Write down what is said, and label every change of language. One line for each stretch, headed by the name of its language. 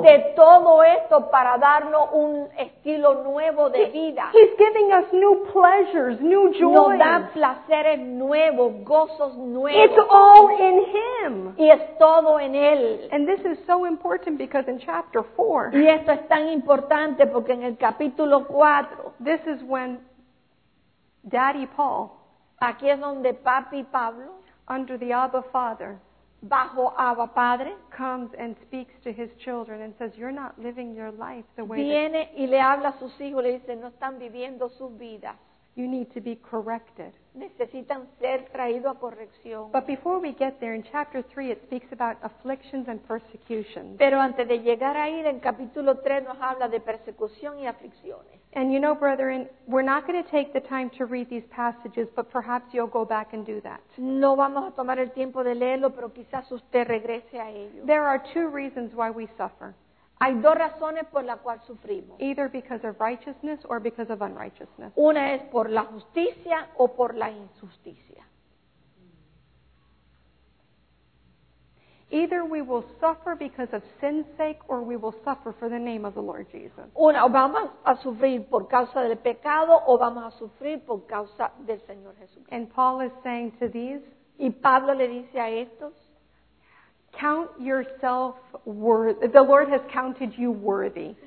Spanish: De todo esto para darnos un estilo nuevo de vida.
English: He's giving us new pleasures, new joys.
Spanish: Nos da placeres nuevos, gozos nuevos.
English: It's all in Him.
Spanish: Y es todo en Él.
English: And this is so important because in chapter 4.
Spanish: Y esto es tan importante porque en el capítulo 4.
English: This is when Daddy Paul,
Spanish: aquí es donde Papi Pablo,
English: under the Abba Father,
Spanish: bajo Abba Padre,
English: comes and speaks to his children and says, "You're not living your life the way."
Spanish: Viene y le habla a sus hijos, le dice, "No están viviendo sus vidas."
English: You need to be corrected.
Spanish: Necesitan ser traído a corrección.
English: But before we get there, in chapter 3, it speaks about afflictions and persecutions.
Spanish: Pero antes de llegar ahí, en capítulo 3 nos habla de persecución y aflicciones.
English: And you know, brethren, we're not going to take the time to read these passages, but perhaps you'll go back and do that.
Spanish: No vamos a tomar el tiempo de leerlo, pero quizás usted regrese a ello.
English: There are two reasons why we suffer.
Spanish: Hay dos razones por las cuales sufrimos.
English: Either because of righteousness or because of unrighteousness.
Spanish: Una es por la justicia o por la injusticia.
English: Either we will suffer because of sin's sake or we will suffer for the name of the Lord Jesus.
Spanish: Una, o vamos a sufrir por causa del pecado o vamos a sufrir por causa del Señor Jesucristo.
English: And Paul is saying to these,
Spanish: y Pablo le dice a estos,
English: count yourself worthy. The Lord has counted you worthy.